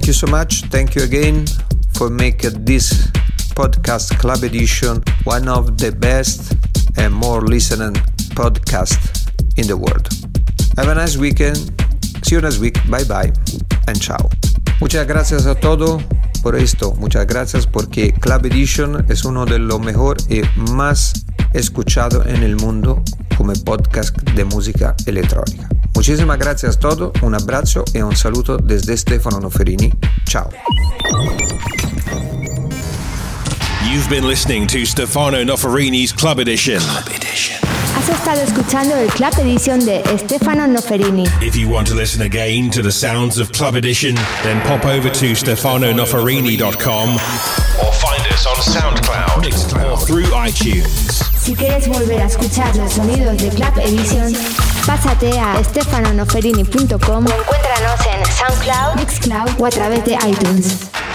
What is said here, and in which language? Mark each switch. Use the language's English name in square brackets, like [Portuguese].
[English] Much thank you again for making this podcast Club Edition one of the best and more listening podcast in the world. Have a nice weekend, see you next week, bye bye and ciao. [Spanish] Muchas gracias a todo por esto, muchas gracias porque Club Edition es uno de los mejor y más escuchado en el mundo como podcast de música electrónica. Muchísimas gracias a todos, un abrazo y un saludo desde Stefano Noferini. [Italian] Ciao. [English] You've been listening to Stefano Noferini's Club Edition. [Spanish] Club Edition. Has estado escuchando el Club Edition de Stefano Noferini. [English] If you want to listen again to the sounds of Club Edition, then pop over to stefanonoferini.com or find us on SoundCloud or through iTunes. [Spanish] Si quieres volver a escuchar los sonidos de Club Edition, pásate a stefanonoferini.com o encuéntranos en SoundCloud, Mixcloud o a través de iTunes.